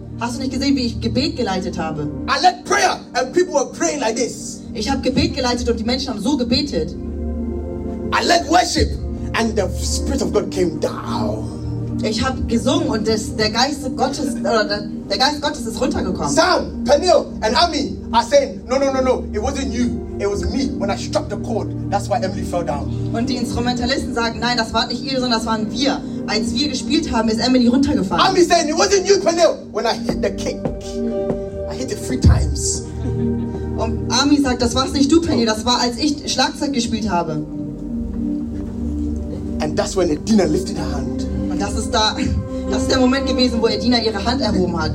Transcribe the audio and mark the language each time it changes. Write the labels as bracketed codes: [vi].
[de] Hast du nicht gesehen, wie ich Gebet geleitet habe? [en] I led prayer and people were praying like this. [de] Ich habe Gebet geleitet und die Menschen haben so gebetet. [en] I led worship and the Spirit of God came down. [de] Ich habe gesungen und der Geist Gottes ist runtergekommen. [en] Sam, Peniel and Ami are saying, no, it wasn't you, it was me. When I struck the chord, that's why Emily fell down. [de] Und die Instrumentalisten sagen, nein, das war nicht ihr, sondern das waren wir. Als wir gespielt haben, ist Emily runtergefallen. [en] Ami saying, it wasn't you, Peniel. When I hit the kick, I hit it 3 times. [de] Und Ami sagt, das warst nicht du, Peniel. Das war, als ich Schlagzeug gespielt habe. [en] And that's when Edina lifted her hand. [de] Das ist da, Das ist der Moment gewesen, wo Edina ihre Hand erhoben hat.